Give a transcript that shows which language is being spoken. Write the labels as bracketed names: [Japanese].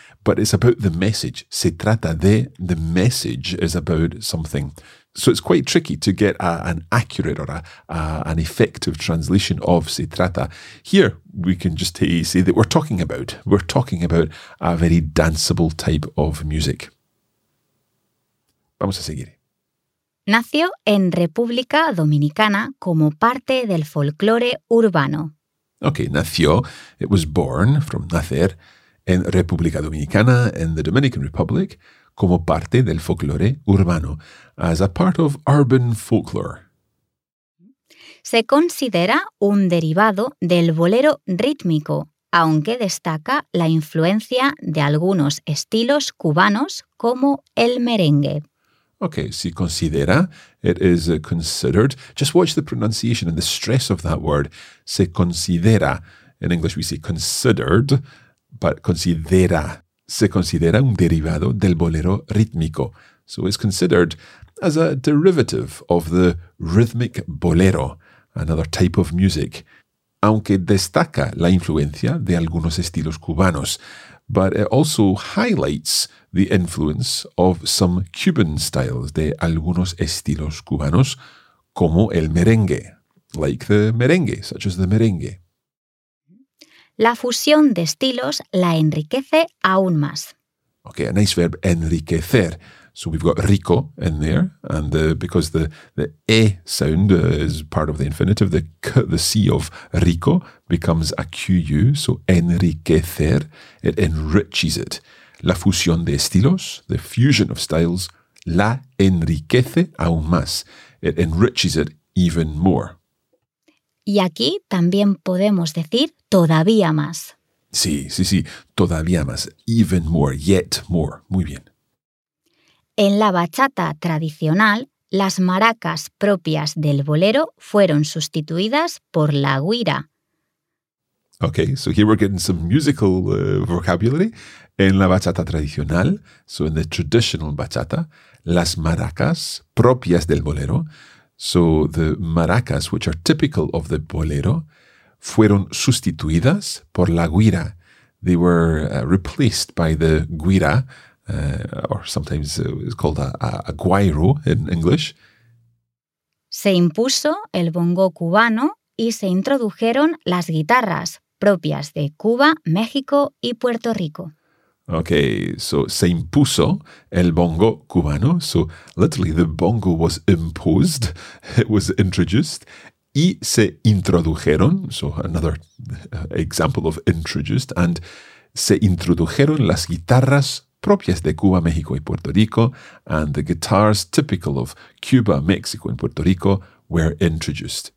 [English] But it's about the message. [Spanish] Se trata de, [English] the message is about something. So it's quite tricky to get an accurate or an effective translation of [Spanish] se trata. [English] Here, we can just say that we're talking about a very danceable type of music. [Spanish] Vamos a seguir. Nació en República Dominicana como parte del folclore urbano. [English] Okay, nació, it was born, from nacer, [Spanish] en República Dominicana, [English] in the Dominican Republic, [Spanish] como parte del folclore urbano, [English] as a part of urban folklore. [Spanish] Se considera un derivado del bolero rítmico, aunque destaca la influencia de algunos estilos cubanos como el merengue. [English] Okay, si considera, it is considered. Just watch the pronunciation and the stress of that word. [Spanish] Se considera. [English] In English we say considered, but considera. [Spanish] Se considera un derivado del bolero rítmico. [English] So it's considered as a derivative of the rhythmic bolero, another type of music. [Spanish] Aunque destaca la influencia de algunos estilos cubanos. [English] But it also highlights the influence of some Cuban styles, [Spanish] de algunos estilos cubanos, como el merengue, [English] like the merengue, such as the merengue. [Spanish] La fusión de estilos la enriquece aún más. [English] Okay, a nice verb, enriquecer. So we've got rico in there, and because the e sound is part of the infinitive, the c of rico becomes a qu, so enriquecer, it enriches it. [Spanish] La fusión de estilos, [English] the fusion of styles, [Spanish] la enriquece aún más, [English] it enriches it even more. [Spanish] Y aquí también podemos decir todavía más. Sí, sí, sí, todavía más, [English] even more, yet more, [Spanish] muy bien. En la bachata tradicional, las maracas propias del bolero fueron sustituidas por la güira. [English] Okay, so here we're getting some musical vocabulary. [Spanish] En la bachata tradicional, [English] so in the traditional bachata, [Spanish] las maracas propias del bolero, [English] so the maracas, which are typical of the bolero, [Spanish] fueron sustituidas por la guira. [English] They were replaced by the guira, or sometimes it's called a guairo in English. [Spanish] Se impuso el bongo cubano y se introdujeron las guitarras propias de Cuba, México y Puerto Rico. [English] Okay, so [Spanish] se impuso el bongo cubano. [English] So literally, the bongo was imposed, it was introduced. Y se introdujeron, so another example of introduced, and [Spanish] se introdujeron las guitarras propias de Cuba, México y Puerto Rico, [English] and the guitars typical of Cuba, Mexico, and Puerto Rico were introduced.